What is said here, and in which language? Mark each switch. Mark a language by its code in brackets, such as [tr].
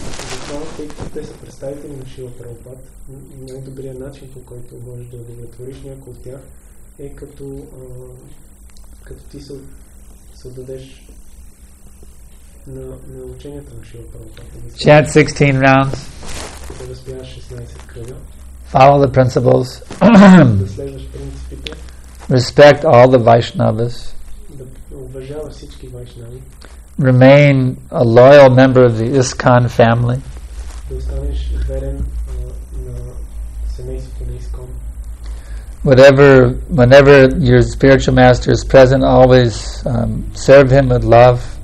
[bg] Затова, тъй като те са представители на Шрила Прабхупада, най-добрият начин, по който можеш да удовлетвориш някой от тях, е като ти се отдадеш на ученията на Шрила Прабхупада. [en] Chant 16 rounds. [bg] Да разпяваш 16 кръга. [en] Follow the principles. [bg] Да следваш принципите. [en] Respect all the Vaishnavas. [bg] Уважава всички Вайшнави. [en] Remain a loyal member of the ISKCON family. [bg] Да останеш верен на семейството на ISKCON. [en] Whenever your spiritual master is present, always serve him with love.